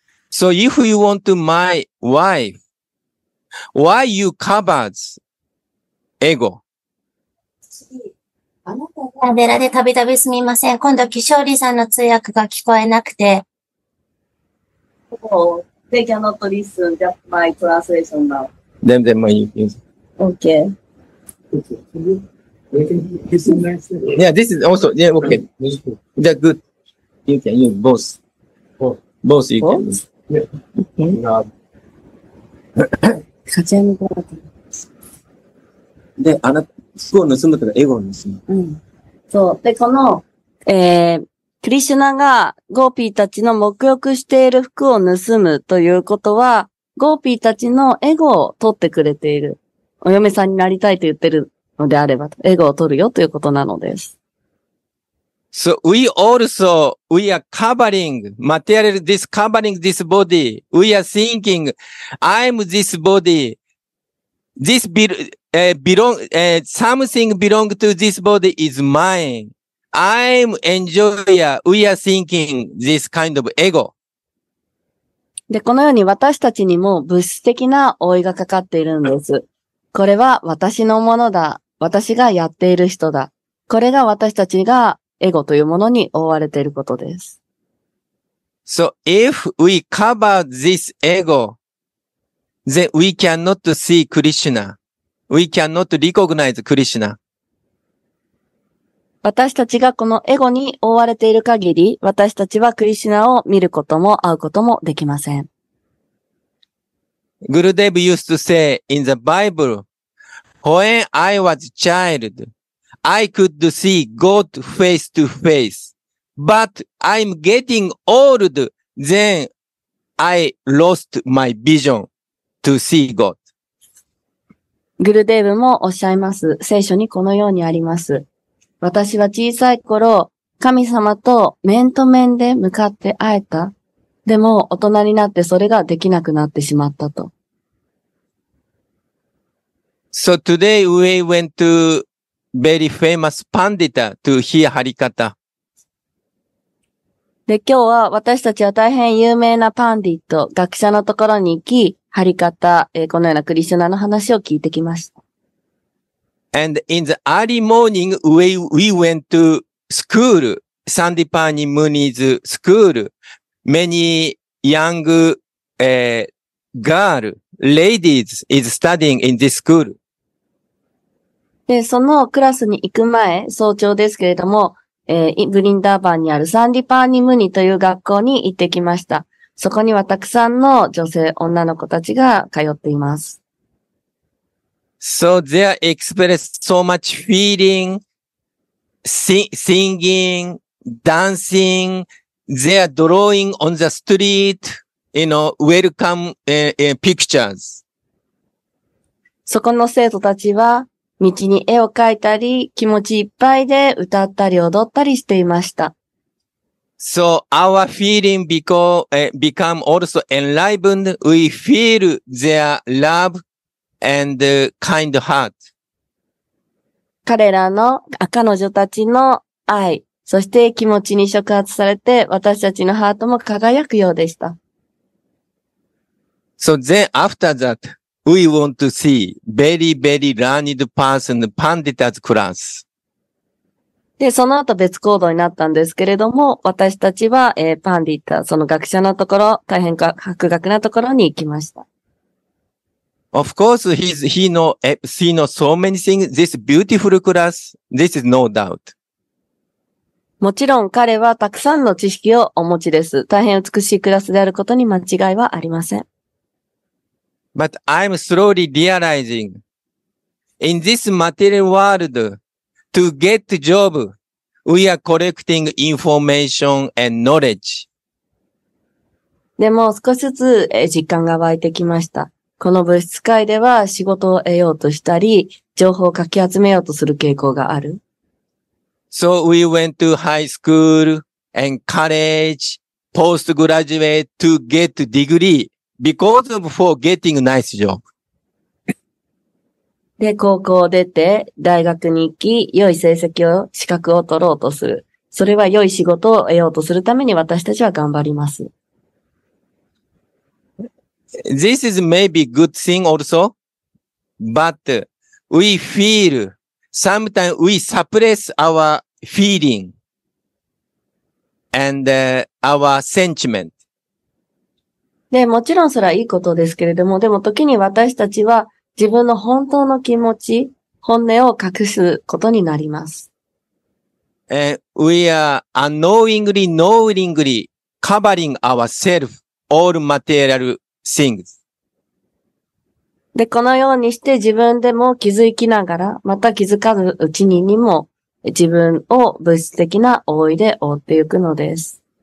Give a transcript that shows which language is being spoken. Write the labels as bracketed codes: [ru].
[en] So if you want my wife, why you covered ego? [ja] あなたが寺でたびたびすみません。今度、キショーリさんの通訳が聞こえなくて。 [en] They cannot listen to my translation now. Then my use. Okay. Yeah, this is also, yeah, okay. They're good. You can use both. You can use. Yeah. Okay. [ja] で、あなた、服を盗むとか、エゴを盗む。うん。そう。で、この、クリシュナがゴーピーたちの沐浴している服を盗むということは、ゴーピーたちのエゴを取ってくれている。お嫁さんになりたいと言ってる。のであれば、エゴを取るよということなのです。 [en] So we also, we are covering, material this covering this body. We are thinking, I'm this body. This something belong to this body is mine. I'm enjoyer. We are thinking this kind of ego. [ja] で、このように私たちにも物質的な覆いがかかっているんです。これは私のものだ。私がやっている人だ。これが私たちがエゴというものに覆われていることです。 [en] So if we cover this ego, then we cannot see Krishna. We cannot recognize Krishna. [ja] 私たちがこのエゴに覆われている限り、私たちはクリシュナを見ることも会うこともできません。 [en] Gurudev used to say in the Bible,When I was a child, I could see God face to face. But I'm getting old, then I lost my vision to see God. [ja] グルデーブもおっしゃいます。聖書にこのようにあります。私は小さい頃、神様と面と面で向かって会えた。でも大人になってそれができなくなってしまったと。 [en] So today we went to very famous Pandita to hear Harikata. [ja] で、今日は私たちは大変有名なパンディット、学者のところに行き、ハリカタ、このようなクリシュナの話を聞いてきました。 [en] And in the early morning we went to school, Sandipani Muni's school. Many young, ladies is studying in this school. [ja] で、そのクラスに行く前、早朝ですけれども、ブリンダーバンにあるサンディパーニムニという学校に行ってきました。そこにはたくさんの女性、女の子たちが通っています。 [en] So they express so much feeling, singing, dancing, they are drawing on the street, you know, welcome, pictures. [ja] そこの生徒たちは、道に絵を描いたり、気持ちいっぱいで歌ったり踊ったりしていました。 [en] So our feeling become also enlivened. We feel their love and kind heart. [ja] 彼らの、彼女たちの愛、そして気持ちに触発されて、私たちのハートも輝くようでした。 [en] So then after that,We want to see very, very learned person, Pandita's class. [ja] で、その後別行動になったんですけれども、私たちは、パンディタ、その学者のところ、大変博学なところに行きました。 [en] Of course, he knows so many things. This beautiful class, this is no doubt. [ja] もちろん彼はたくさんの知識をお持ちです。大変美しいクラスであることに間違いはありません。 [en] But I'm slowly realizing in this material world to get a job, we are collecting information and knowledge. [ja] でも少しずつ実感が湧いてきました。この物質界では仕事を得ようとしたり、情報をかき集めようとする傾向がある。 [en] So we went to high school and college, postgraduate to get a degree because of for getting a nice job. [ja] で、高校を出て大学に行き、良い成績を、資格を取ろうとする。それは良い仕事を得ようとするために私たちは頑張ります。 [en] This is maybe good thing also, but we feel sometimes we suppress our feeling and our sentiment. [ja] で、もちろんそれはいいことですけれども、でも時に私たちは自分の本当の気持ち、本音を隠すことになります。 [en] And we are unknowingly, knowingly covering ourselves, all material things. [ja] で、このようにして自分でも気づきながら、また気づかぬうちににも、自分を物質的な覆いで覆っていくのです。